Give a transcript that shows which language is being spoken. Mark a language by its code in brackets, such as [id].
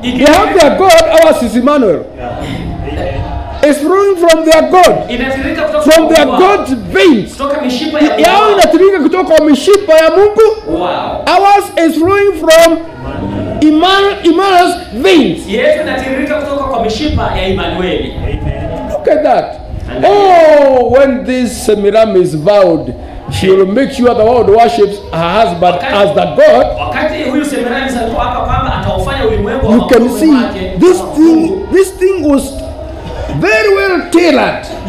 [en] We have their God, ours is Emmanuel. Yeah. It's flowing from their God. From their God's veins. [sw] Yao inatirika kutoka mishipa ya Mungu. [en] Wow. Ours is flowing from Emmanuel's veins. [sw] Yesu inatirika kutoka kwa mishipa ya Emmanuel. [en] Look at that. Oh, when this Semiramis is vowed, she will make sure the world worships her husband as the God. [sw] Wakati huyu Semiramis alipo hapa kwamba ataufanya ulimwengu. [en] You can see this thing was very well tailored.